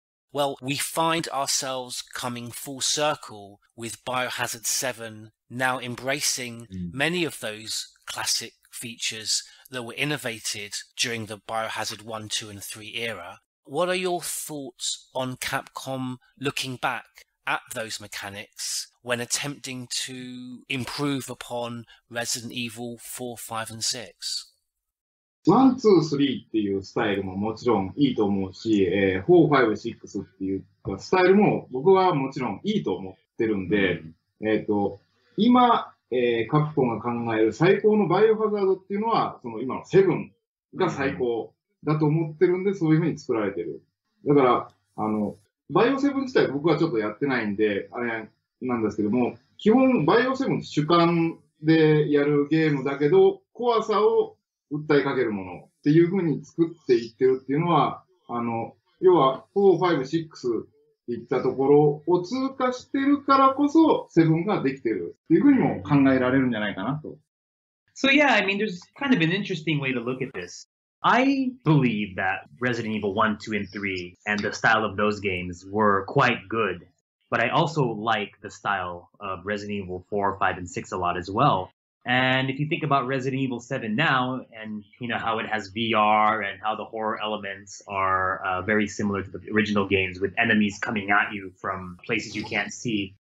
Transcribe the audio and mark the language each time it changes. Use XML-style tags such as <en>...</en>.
<en>Well, we find ourselves coming full circle with Biohazard 7 now embracing many of those classic features that were innovated during the Biohazard 1, 2 and 3 era. What are your thoughts on Capcom looking back at those mechanics when attempting to improve upon Resident Evil 4, 5 and 6?</en> <ja>1, 2, 3 っていうスタイルももちろんいいと思うし、4, 5, 6っていうスタイルも僕はもちろんいいと思ってるんで、今、カプコンが考える最高のバイオハザードっていうのは、その今の7が最高だと思ってるんで、そういうふうに作られてる。だから、バイオ7自体僕はちょっとやってないんで、あれなんですけども、基本バイオ7主観でやるゲームだけど、怖さを訴えかけるものっていう風に作っていってるっていうのは、要は4、5、6っていったところを通過してるからこそ7ができてるっていう風にも考えられるんじゃないかなと。</ja> <en>So yeah, I mean, there's kind of an interesting way to look at this. I believe that Resident Evil 1, 2, and 3 and the style of those games were quite good, but I also like the style of Resident Evil 4, 5, and 6 a lot as well. And if you think about Resident Evil 7 now, and you know how it has VR and how the horror elements are very similar to the original games with enemies coming at you from places you can't see.</en>